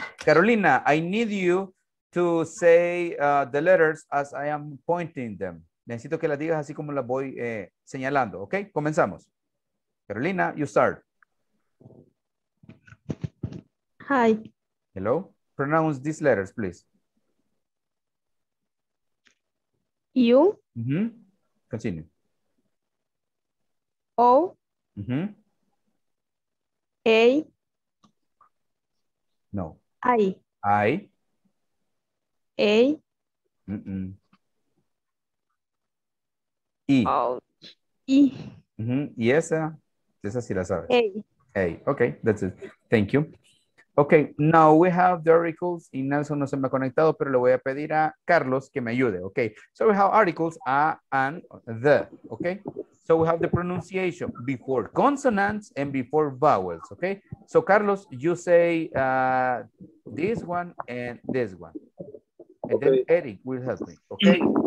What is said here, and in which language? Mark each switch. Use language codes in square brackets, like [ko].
[en] Carolina, I need you to say the letters as I am pointing them. [es] Necesito que las digas así como las voy señalando. [en] Okay. [es] Comenzamos. [en] Carolina, you start. Hi. Hello. Pronounce these letters, please. U. Mm-hmm. Continue. O. Mm-hmm. A. No. I. A. Mm-mm. E. Oh. E. [es] Mm-hmm. Y esa. Esa sí la sabes. A. [en] Hey, okay, that's it. Thank you. Okay, now we have the articles. [es] Y Nelson no se me ha conectado, pero le voy a pedir a Carlos que me ayude. [en] Okay, so we have articles, a and the. Okay, so we have the pronunciation before consonants and before vowels. Okay, so Carlos, you say this one and this one. And okay. Then Eric will help me. Okay,